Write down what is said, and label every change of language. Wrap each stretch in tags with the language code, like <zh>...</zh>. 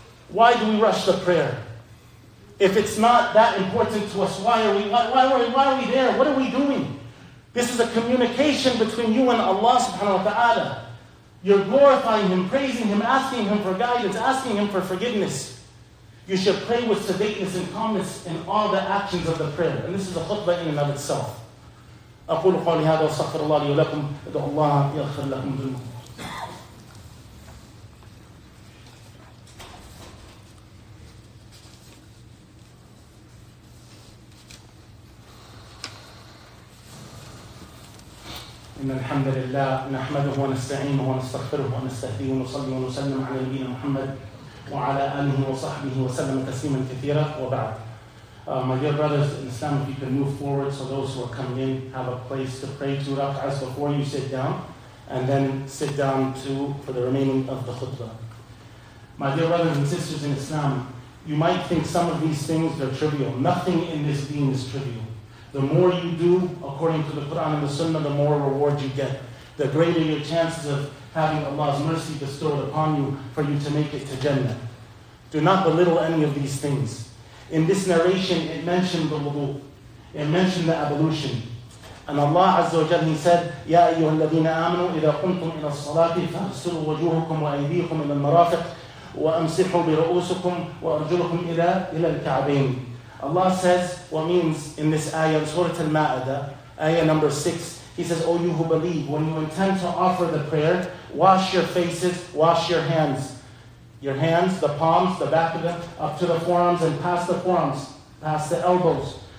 <en>Why do we rush the prayer? If it's not that important to us, why are we there? What are we doing? This is a communication between you and Allah subhanahu wa ta'ala. You're glorifying Him, praising Him, asking Him for guidance, asking Him for forgiveness. You should pray with sedateness and calmness in all the actions of the prayer. And this is a khutbah in and of itself.</en> <ar>أقول قولي هذا واستغفر الله لي ولكم ادعو الله يغفر لكم ذنوبكم. إن الحمد لله نحمده ونستعينه ونستغفره ونستهديه ونصلي ونسلم على نبينا محمد وعلى آله وصحبه وسلم تسليما كثيرا وبعد.</ar> <en>My dear brothers in Islam, if you can move forward so those who are coming in have a place to pray to rak'ahs before you sit down, and then sit down too for the remaining of the khutbah. My dear brothers and sisters in Islam, you might think some of these things are trivial. Nothing in this deen is trivial. The more you do according to the Quran and the Sunnah, the more reward you get. The greater your chances of having Allah's mercy bestowed upon you for you to make it to Jannah. Do not belittle any of these things. In this narration, it mentioned the wudu. It mentioned the ablution. And Allah Azza wa Jalla, He said,</en> <ar>يَا أَيُّهَا الَّذِينَ آمَنُوا إِذَا قُمْتُمْ إِلَى الصَّلَاةِ فَاغْسِلُوا وَجُوهُكُمْ وَأَيْدِيكُمْ إِلَى الْمَرَافِقِ وَأَمْسِحُوا بِرَؤُوسِكُمْ وَأَرْجُلُكُمْ إِلَى الْكَعْبَيْنِ.</ar> <en>Allah says, what means in this ayah, in Surah Al-Ma'adah, ayah number 6, He says, O you who believe, when you intend to offer the prayer, wash your faces, wash your hands. Your hands, the palms, the back of them, up to the forearms and past the forearms, past the elbows.</en>